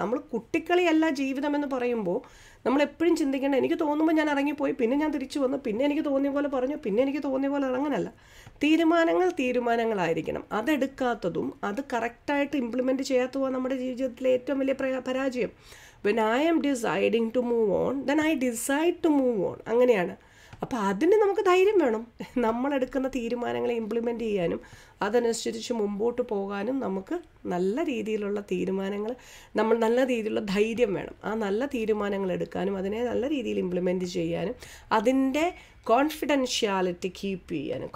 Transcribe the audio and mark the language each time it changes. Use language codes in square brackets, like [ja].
[ml] നമ്മൾ കുട്ടിക്കളിയല്ല ജീവിതം എന്ന് പറയുമ്പോൾ നമ്മളെപ്പോഴും ചിന്തിക്കേണ്ട, എനിക്ക് തോന്നുമ്പോൾ ഞാൻ ഇറങ്ങിപ്പോയി, പിന്നെ ഞാൻ തിരിച്ചു വന്നു, പിന്നെ എനിക്ക് തോന്നിയ പോലെ പറഞ്ഞു, പിന്നെ എനിക്ക് തോന്നിയ പോലെ ഇറങ്ങനല്ല. തീരുമാനങ്ങൾ തീരുമാനങ്ങളായിരിക്കണം. അതെടുക്കാത്തതും അത് കറക്റ്റായിട്ട് ഇംപ്ലിമെൻ്റ് ചെയ്യാത്തതും നമ്മുടെ ജീവിതത്തിലെ ഏറ്റവും വലിയ പരാജയം. [en] When I am deciding to move on, then I decide to move on. [ml] അങ്ങനെയാണ്. അപ്പോൾ അതിന് നമുക്ക് ധൈര്യം വേണം. നമ്മളെടുക്കുന്ന തീരുമാനങ്ങളെ ഇംപ്ലിമെൻ്റ് ചെയ്യാനും അതനുസരിച്ച് മുമ്പോട്ട് പോകാനും നമുക്ക് നല്ല രീതിയിലുള്ള തീരുമാനങ്ങൾ, നമ്മൾ നല്ല രീതിയിലുള്ള ധൈര്യം വേണം. ആ നല്ല തീരുമാനങ്ങൾ എടുക്കാനും അതിനെ നല്ല രീതിയിൽ ഇംപ്ലിമെൻ്റ് ചെയ്യാനും അതിൻ്റെ കോൺഫിഡൻഷ്യാലിറ്റി കീപ്പ് ചെയ്യാനും.